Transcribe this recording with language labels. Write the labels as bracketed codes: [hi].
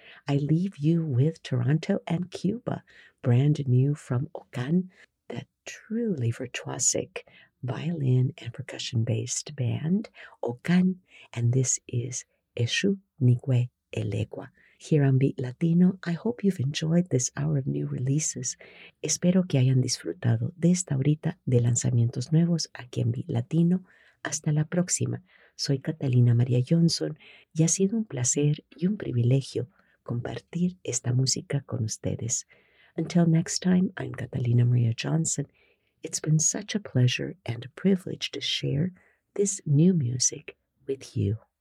[en] I leave you with Toronto and Cuba, brand new from Ocan, that truly virtuosic violin and percussion-based band, Ocan, and this is Eshu Nigwe Elegua. Here on Beat Latino, I hope you've enjoyed this hour of new releases. [es] Espero que hayan disfrutado de esta horita de lanzamientos nuevos aquí en Beat Latino. Hasta la próxima. Soy Catalina María Johnson y ha sido un placer y un privilegio compartir esta música con ustedes. [en] Until next time, I'm Catalina María Johnson. It's been such a pleasure and a privilege to share this new music with you.